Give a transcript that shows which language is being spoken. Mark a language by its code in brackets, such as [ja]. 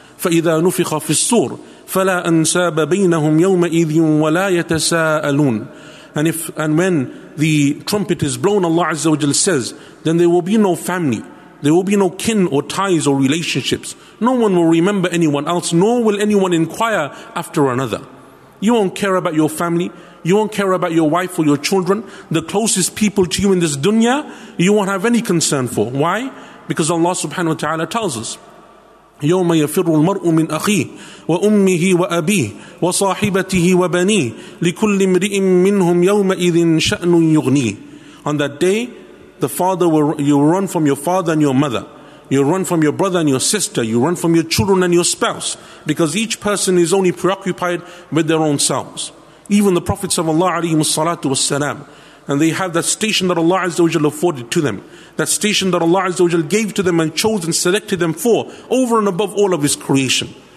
[ar] فَإِذَا نُفِخَ فِي الصُّورِ فَلَا أَنْسَابَ بَيْنَهُمْ يَوْمَئِذٍ وَلَا يَتَسَاءَلُونَ, [en] and when the trumpet is blown, Allah Azza wa Jal says, then there will be no family, there will be no kin or ties or relationships. No one will remember anyone else, nor will anyone inquire after another. You won't care about your family, you won't care about your wife or your children, the closest people to you in this dunya, you won't have any concern for. Why? Because Allah subhanahu wa ta'ala tells us, [ar] يوم يفر المرء من أخيه وأمه وأبيه وصاحبته وبنيه لكل امرئ منهم يومئذ شأن يغنيه. [en] On that day, the father you run from your father and your mother, you run from your brother and your sister, you run from your children and your spouse, because each person is only preoccupied with their own selves. Even the prophets of Allah عليهم الصلاة والسلام, and they have that station that Allah Azza wa Jalla afforded to them, that station that Allah Azza wa Jalla gave to them and chose and selected them for, over and above all of His creation.